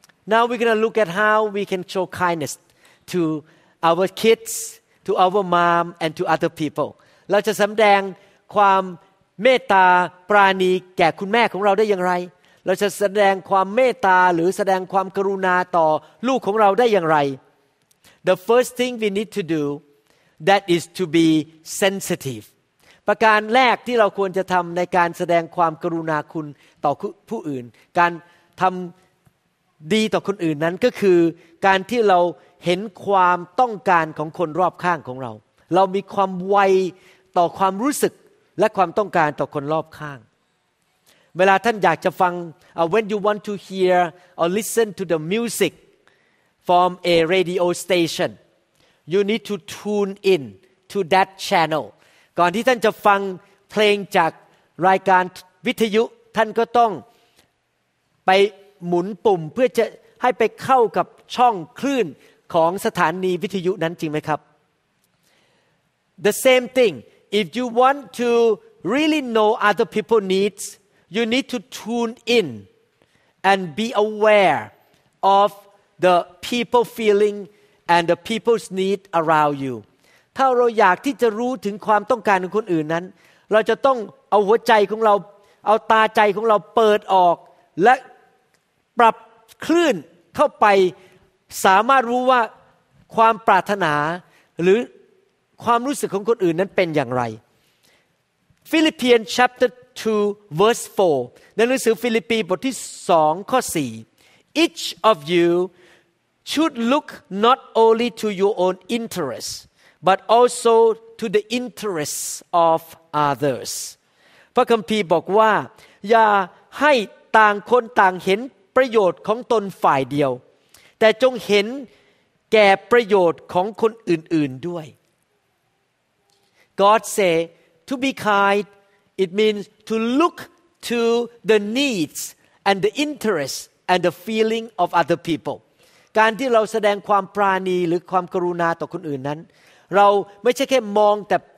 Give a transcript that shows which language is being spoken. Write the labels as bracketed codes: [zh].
[en] Now we're going to look at how we can show kindness to our kids, to our mom, and to other people. [th] เราจะสำแดงความเมตตาปราณีแก่คุณแม่ของเราได้อย่างไรเราจะแสดงความเมตตาหรือแสดงความกรุณาต่อลูกของเราได้อย่างไร [en] The first thing we need to do that is to be sensitive. [th] ประการแรกที่เราควรจะทำในการแสดงความกรุณาคุณต่อผู้อื่นการทำดีต่อคนอื่นนั้นก็คือการที่เราเห็นความต้องการของคนรอบข้างของเราเรามีความไวต่อความรู้สึกและความต้องการต่อคนรอบข้าง เวลาท่านอยากจะฟัง [en] when you want to hear or listen to the music from a radio station you need to tune in to that channel [th] ก่อนที่ท่านจะฟังเพลงจากรายการวิทยุท่านก็ต้องไปหมุนปุ่มเพื่อจะให้ไปเข้ากับช่องคลื่นของสถานีวิทยุนั้นจริงไหมครับ [en] The same thing if you want to really know other people's needs you need to tune in and be aware of the people feeling and the people's need around you [th] ถ้าเราอยากที่จะรู้ถึงความต้องการของคนอื่นนั้นเราจะต้องเอาหัวใจของเราเอาตาใจของเราเปิดออกและปรับคลื่นเข้าไปสามารถรู้ว่าความปรารถนาหรือความรู้สึกของคนอื่นนั้นเป็นอย่างไร [en] ฟิลิปปีย์ chapter 2 verse 4 [th] ในหนังสือฟิลิปปีบทที่2ข้อ4 [en] Each of you should look not only to your own interestsBut also to the interests of others. [th] พระคัมภีร์บอกว่าอย่าให้ต่างคนต่างเห็นป ประโยชน์ของตนฝ่ายเดียวแต่จงเห็นแก่ประโยชน์ของคนอื่นๆด้วย [en] God say to be kind it means to look to the needs and the interests and the feeling of other people [th] การที่เราแสดงความปรานีหรือความกรุณาต่อคนอื่นนั้นเราไม่ใช่แค่มองแต่